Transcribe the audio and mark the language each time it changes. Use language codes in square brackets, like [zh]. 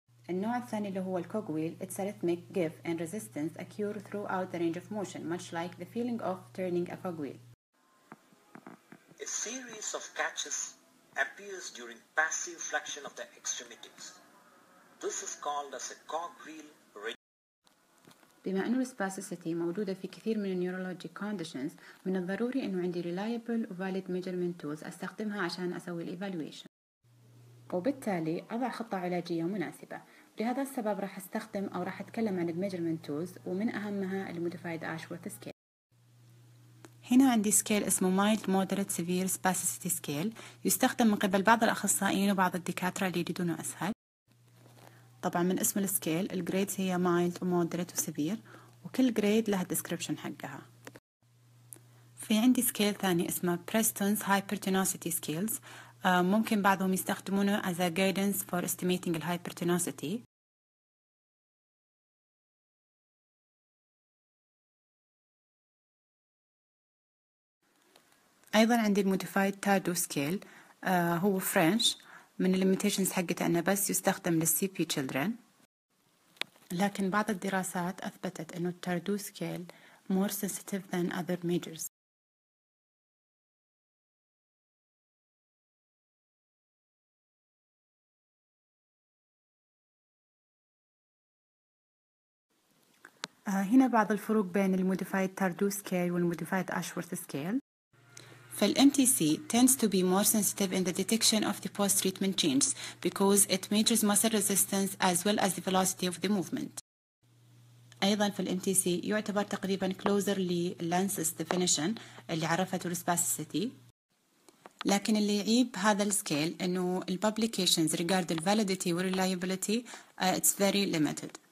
[ar] النوع الثاني اللي هو الكوغويل، [en] it's a rhythmic give and resistance occur throughout the range of motion, much like the feeling of turning a cogwheel. A series of catches appears during passive flexion of the extremities. This is called as a cogwheel rigidity. [ar] بما أن الاسباسيسيتي موجودة في كثير من النيورولوجي كونديشنز، من الضروري أنه عندي ريلايبل وفاليد ميجرمنت تولز أستخدمها عشان أسوي الإيفالويشن، وبالتالي أضع خطة علاجية مناسبة. لهذا السبب راح أستخدم أو راح أتكلم عن الميجرمنت تولز، ومن أهمها الموديفايد أشورث سكيل. هنا عندي سكيل اسمه Mild Moderate Severe Spasticity Scale، يستخدم من قبل بعض الأخصائيين وبعض الدكاترة اللي يريدونه أسهل. طبعا من اسم السكيل الجريدز هي Mild و Moderate و Severe، وكل جريد لها Description حقها. في عندي سكيل ثاني اسمه Preston's Hypertonicity Scales، ممكن بعضهم يستخدمونه [en] as a guidance for estimating the hypertonicity. [ar] أيضا عندي المودفايد تادو سكيل هو فرنش من الليميتيشنز حقته أنه بس يستخدم للسي بي تشيلدرن، لكن بعض الدراسات أثبتت أنه التادو سكيل مور سنسيتيف ذان أذر ميجرز. هنا بعض الفروق بين المودفايد تادو سكيل والمودفايد أشورث سكيل. [en] فالMTC tends to be more sensitive in the detection of the post-treatment change because it measures muscle resistance as well as the velocity of the movement. [ar] أيضا فالMTC يعتبر تقريبا closer للانسس definition اللي عرفته الاسباسيسيتي. لكن اللي يعيب هذا السكيل انه [en] البابليكيشنز regard the validity and reliability it's very limited.